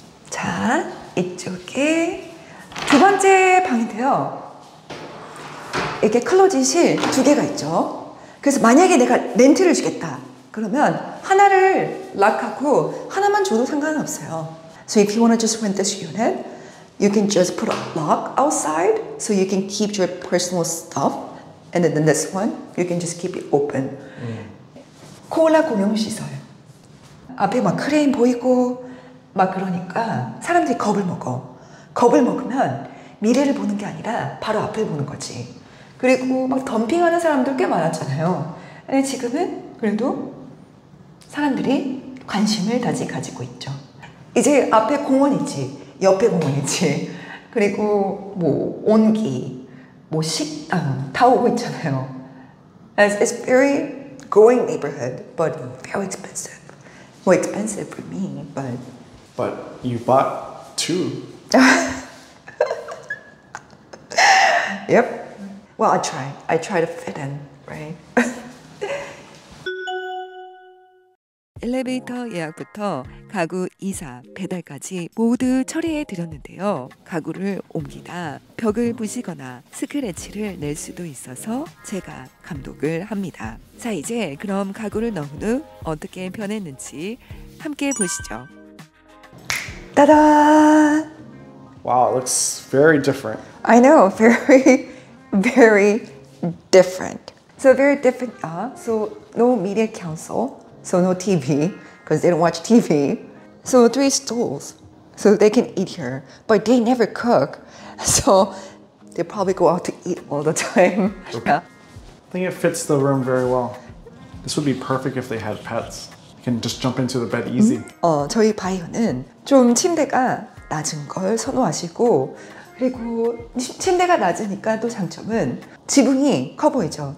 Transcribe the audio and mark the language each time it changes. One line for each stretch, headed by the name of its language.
Korean: 자, 이쪽에 두 번째 방인데요. 이렇게 클로젯이 두 개가 있죠. 그래서 만약에 내가 렌트를 주겠다. 그러면 하나를 락하고 하나만 줘도 상관없어요.
English: So if you want to just rent this unit, you can just put a lock outside so you can keep your personal stuff. And then this one, you can just keep it open.
Korean: 코올라 공용시설. 앞에 막 크레인 보이고 막 그러니까 사람들이 겁을 먹어. 겁을 먹으면 미래를 보는 게 아니라 바로 앞을 보는 거지. 그리고 막 덤핑하는 사람도 꽤 많았잖아요. 근데 지금은 그래도 사람들이 관심을 다시 가지고 있죠. 이제 앞에 공원이지, 옆에 공원이지, 그리고 뭐 온기, 뭐 식당 다 오고 있잖아요.
English: It's very growing neighborhood, but very expensive. More expensive for me, but. But you bought two. Yep. Well, I try. I try to fit in, right?
Korean: 엘리베이터 예약부터 가구 이사, 배달까지 모두 처리해 드렸는데요. 가구를 옮기다 벽을 부시거나 스크래치를 낼 수도 있어서 제가 감독을 합니다. 자, 이제 그럼 가구를 넣은 후 어떻게 변했는지 함께 보시죠. 따다!
English: Wow, it looks very different. I know, very, very different. So very different. So no media console. So no TV, because they don't watch TV. So three stools, so they can eat here. But they never cook, so they probably go out to eat all the time. Okay. Yeah. I think it fits the room very well. This would be perfect if they had pets. You can just jump into the bed easy.
Korean: 저희 바이오는 좀 침대가 낮은 걸 선호하시고 그리고 침대가 낮으니까 또 장점은 지붕이 커 보이죠.